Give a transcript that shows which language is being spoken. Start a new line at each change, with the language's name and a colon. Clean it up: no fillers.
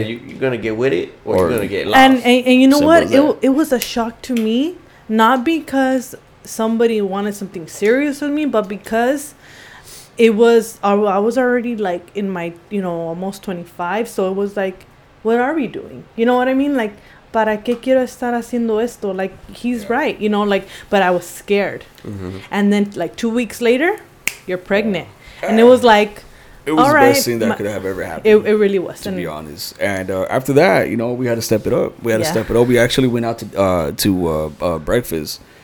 English: You're gonna get with it, or you're gonna get lost. And you know what? It was a shock to me, not because somebody wanted something serious with me, but because I was already like in my, you know, almost 25. So it was like, what are we doing? You know what I mean?
Spanish: Like, para que quiero estar haciendo esto?
English: Like, he's right, you know, like, but I was scared. Mm-hmm. And then like 2 weeks later, you're pregnant. And it was like, It was the best thing that could have ever happened. It really was. To be honest. And after that, you know, we had to step it up. We actually went out to breakfast.